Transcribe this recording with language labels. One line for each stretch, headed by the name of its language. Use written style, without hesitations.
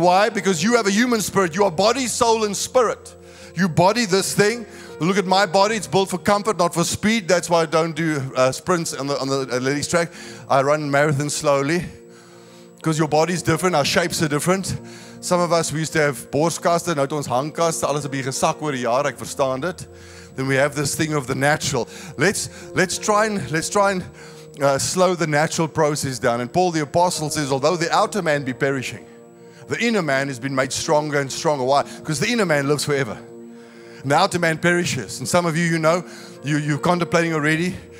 English: Why? Because you have a human spirit. You are body, soul, and spirit. You body this thing. Look at my body. It's built for comfort, not for speed. That's why I don't do sprints on the athletics track. I run marathons slowly because your body's different. Our shapes are different. Some of us, we used to have
Afrikaans: borstkaste, nou het ons hangkaste. Alles het gesak oor die jaar. Ek verstaan dit.
English: Then we have this thing of the natural. Let's try and slow the natural process down. And Paul the Apostle says, although the outer man be perishing, the inner man has been made stronger and stronger. Why? Because the inner man lives forever. an outer man perishes. And some of you, you know, you're contemplating already.